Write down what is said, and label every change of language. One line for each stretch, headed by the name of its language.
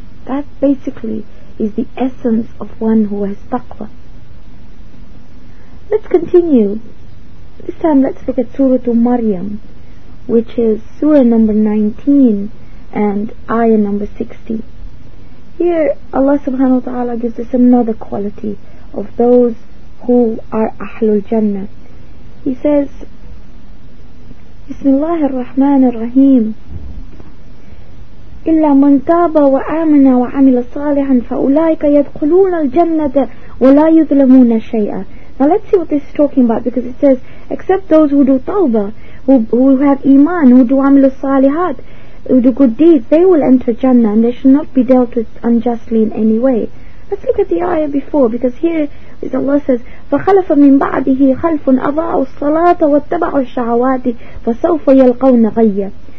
English: That basically is the essence of one who has taqwa. Let's continue. This time let's look at Surah Maryam, which is Surah number 19 and Ayah number 60. Here Allah subhanahu wa ta'ala gives us another quality of those who are Ahlul Jannah. He says,
Arabic: Bismillah ar-Rahman ar-Rahim, إِلَّا مَنْ تَابَ وَآمَنَ وَعَمِلَ صَالِحًا فَأُولَٰئِكَ يَدْخُلُونَ الْجَنَّةَ وَلَا يُظْلَمُونَ شَيْئًا.
English: Now let's see what this is talking about, because it says, except those who do tawbah, who have iman, who do amal salihat, who do good deeds, they will enter Jannah, and they should not be dealt with unjustly in any way. Let's look at the ayah before, because here is Allah says,
Arabic: فَخَلَفَ مِنْ بَعْدِهِ خَلْفٌ أَضَاعُوا الصَّلَاةَ وَاتَّبَعُوا الشَّهَوَاتِ فَسَوْفَ يَلْقَوْنَ غَيًّا.